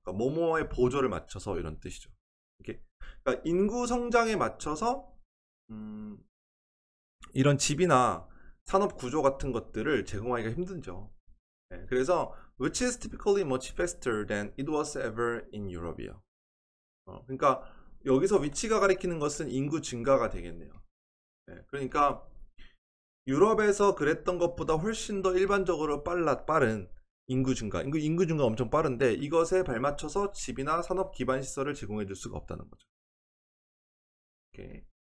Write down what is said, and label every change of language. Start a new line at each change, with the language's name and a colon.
Korean: 그러니까 뭐뭐의 보조를 맞춰서 이런 뜻이죠. 이렇게 그러니까 인구 성장에 맞춰서 이런 집이나 산업 구조 같은 것들을 제공하기가 힘든죠. 네, 그래서
English: Which is typically much faster than it was ever in Europe이요.
Korean: 그러니까 여기서 위치가 가리키는 것은 인구 증가가 되겠네요. 네, 그러니까 유럽에서 그랬던 것보다 훨씬 더 일반적으로 빠른 인구 증가. 인구 증가 엄청 빠른데 이것에 발맞춰서 집이나 산업 기반 시설을 제공해 줄 수가 없다는 거죠. 오케이.